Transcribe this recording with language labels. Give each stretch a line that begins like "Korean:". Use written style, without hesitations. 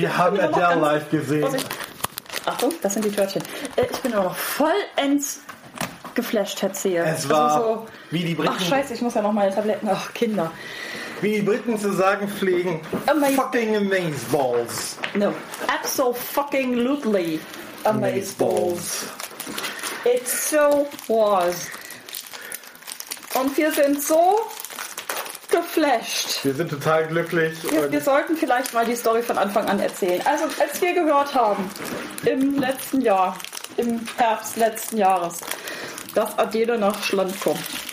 German: Wir haben Adele live gesehen. Vorsicht. Achtung, das sind die Törtchen. Ich bin auch noch vollends geflasht, Herr Zehe. Es war also so, wie die Briten. Ach scheiße, ich muss ja noch meine Tabletten. Ach, Kinder. Wie die Briten zu sagen pflegen,
English: fucking amazeballs. No, absolutely amazeballs. It so was.
German: Und wir sind so geflasht. Wir sind total glücklich. Wir sollten vielleicht mal die Story von Anfang an erzählen. Also, als wir gehört haben, im letzten Jahr, im Herbst letzten Jahres, dass Adele nach Schland kommt.